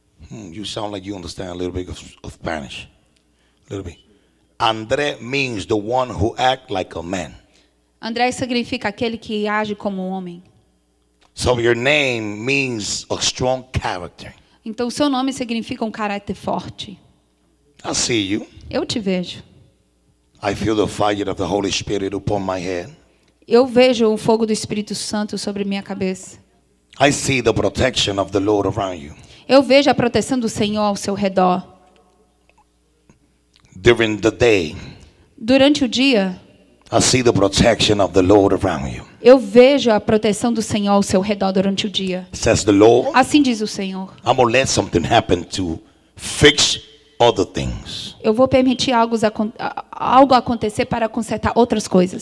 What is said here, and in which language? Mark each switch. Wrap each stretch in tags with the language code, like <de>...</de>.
<en>You sound like you understand a little bit of Spanish. A little bit. André means the one who acts like a man.</en> <pt>André significa aquele que age como um homem.</pt> <en>So your name means a strong character.</en> <pt>Então o seu nome significa um caráter forte.</pt> <en>I see you.</en> <pt>Eu te vejo.</pt> <en>I feel the fire of the Holy Spirit upon my head.</en> <pt>Eu vejo o fogo do Espírito Santo sobre minha cabeça.</pt> <en>I see the protection of the Lord around you.</en> <pt>Eu vejo a proteção do Senhor ao seu redor.</pt> <en>During the day.</en> <pt>Durante o dia.</pt> <en>I see the protection of the Lord around you.</en> <pt>Eu vejo a proteção do Senhor ao seu redor durante o dia.</pt> <en>Says the Lord.</en> <pt>Assim diz o Senhor.</pt> <en>I'm gonna let something happen to fix other things.</en> <pt>Eu vou permitir algo acontecer para consertar outras coisas.</pt>